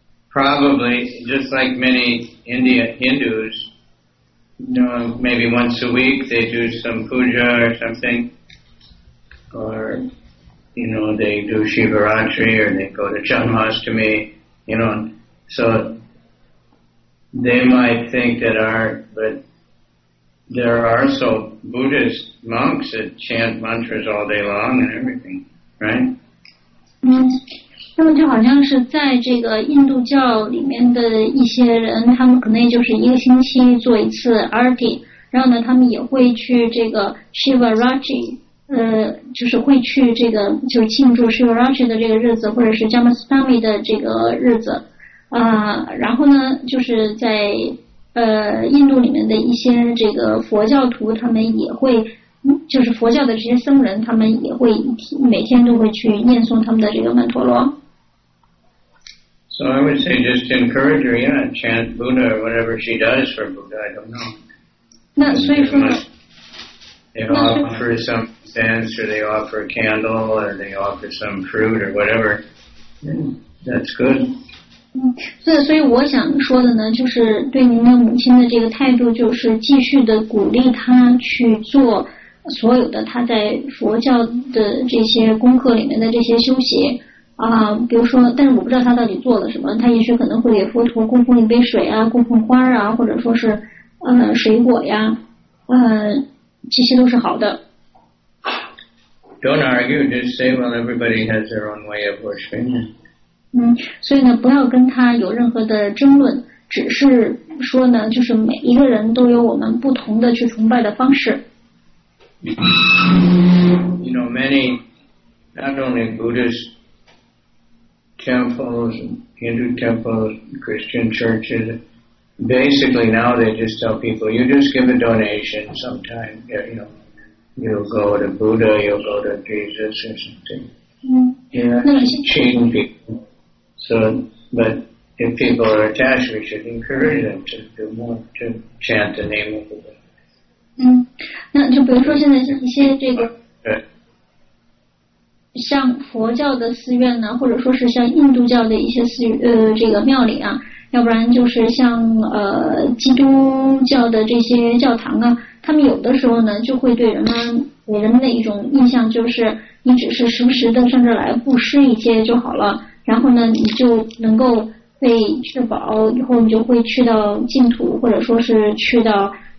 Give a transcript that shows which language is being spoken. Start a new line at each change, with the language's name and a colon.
English: probably just like many Hindus, maybe once a week they do some puja or something, or they do Shivaratri or they go to Janmashtami, so they might think that but there are also Buddhist monks that chant mantras all day long and everything, right?
Chinese: 那么就好像是在这个印度教里面的一些人，他们可能就是一个星期做一次 arti， 然后呢，他们也会去这个 Shivaratri， 就是会去这个就是庆祝 Shivaratri 的这个日子，或者是 Janmashtami 的这个日子，然后呢，就是在印度里面的一些这个佛教徒，他们也会。就是佛教的这些僧人，他们也会每天都会去念诵他们的这个曼陀罗。
English: So I would say just encourage her, yeah, chant Buddha or whatever she does for Buddha. I don't know.
Chinese: 那所以说呢
English: they offer some incense or they offer a candle or they offer some fruit or whatever. That's good.
Chinese: 所以我想说的呢，就是对您的母亲的这个态度，就是继续的鼓励她去做。所有的他在佛教的这些功课里面的这些修习比如说，但是我不知道他到底做了什么，他也许可能会给佛陀供奉一杯水啊，供奉花啊，或者说是水果呀，这些都是好的。
English: Don't argue, just say, well, everybody has their own way of worshiping.
Chinese: 所以呢，不要跟他有任何的争论，只是说呢，就是每一个人都有我们不同的去崇拜的方式。
English: Many, not only Buddhist temples, Hindu temples, Christian churches, basically now they just tell people, you just give a donation sometime, you'll go to Buddha, you'll go to Jesus or something. Cheating people. But if people are attached, we should encourage them to do more, to chant the name of Buddha.
Chinese: 那就比如说现在一些这个像佛教的寺院呢，或者说是像印度教的一些寺这个庙里啊，要不然就是像基督教的这些教堂啊，他们有的时候呢就会对人们给人们的一种印象就是你只是时不时的上这来布施一些就好了，然后呢你就能够被确保以后你就会去到净土，或者说是去到